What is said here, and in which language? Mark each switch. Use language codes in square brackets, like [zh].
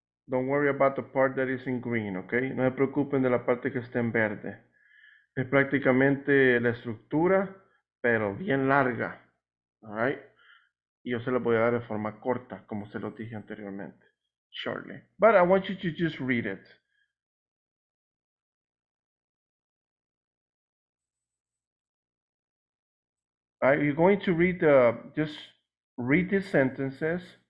[en] Don't worry about the part that is in green, okay? [es] No se preocupen de la parte que está en verde. Es prácticamente la estructura, pero bien larga, all right? Y yo se la voy a dar de forma corta, como se lo dije anteriormente, shortly. [en] But I want you to just read it. All right, you're going to read the, just read the sentences.